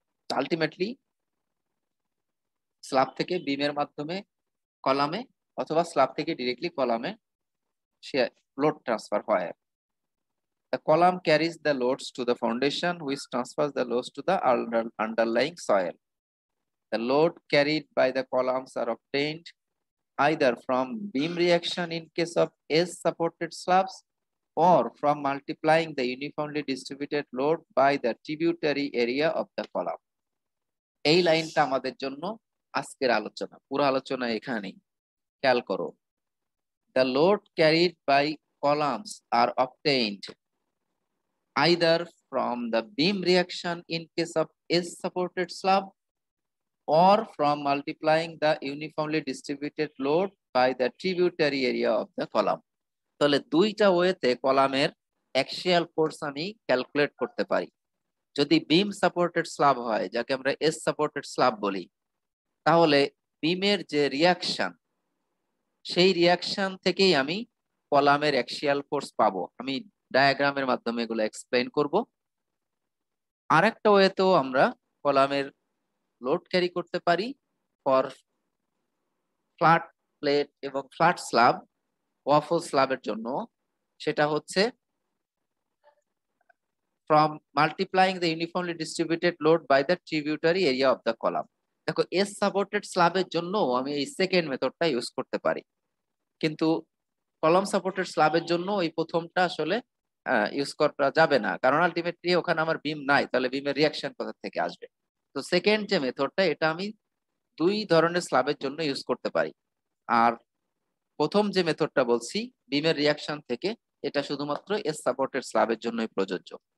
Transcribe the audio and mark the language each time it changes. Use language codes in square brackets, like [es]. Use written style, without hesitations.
[bn] Ultimately slab থেকে বিমের মাধ্যমে কলামে অথবা স্ল্যাব থেকে ডিরেক্টলি কলামে লোড ট্রান্সফার হয়। [en] The column carries the loads to the foundation which transfer the loads to the underlying soil. The load carried by the columns are obtained either from beam reaction in case of S-supported slabs or from multiplying the uniformly distributed load by the tributary area of the column. [bn] এই লাইনটা আমাদের জন্য আজকের আলোচনা, পুরো আলোচনা এখানেই খেয়াল করো। [en] The load carried by columns are obtained either from the beam reaction in case of S-supported slab or from multiplying the uniformly distributed load by the tributary area of the column. [bn] তাহলে দুইটা ওয়েতে কলামের axial force আমি calculate করতে পারি। যদি বিম supported slab হয়, যাকে আমরা এস সাপোর্টেড স্ল্যাব বলি, তাহলে বিমের যে রিয়াকশন, সেই রিয়াকশন থেকেই আমি কলামের অ্যাক্সিয়াল ফোর্স পাব। আমি ডায়াগ্রামের মাধ্যমে এগুলো এক্সপ্লেইন করব। আরেকটা ওয়েতেও আমরা কলামের লোড ক্যারি করতে পারি ফর ফ্ল্যাট প্লেট এবং ফ্ল্যাট স্ল্যাব ওয়াফল স্ল্যাবের জন্য সেটা হচ্ছে [en] from multiplying the uniformly distributed load by the tributary area of the column. [bn] দেখো S supported slab এর জন্য আমি এই সেকেন্ড মেথডটা ইউজ করতে পারি, কিন্তু কলাম সাপোর্টেড স্ল্যাব এর জন্য এই প্রথমটা আসলে ইউজ করা যাবে না, কারণ আলটিমেটলি ওখানে আমার বিম নাই, তাহলে বিমের রিয়াকশন কোথা থেকে আসবে। তো সেকেন্ড যে মেথডটা এটা আমি দুই ধরনের স্ল্যাবের জন্য ইউজ করতে পারি, আর প্রথম যে মেথডটা বলছি বিমের রিয়াকশন থেকে এটা শুধুমাত্র S supported slab এর জন্যই প্রযোজ্য।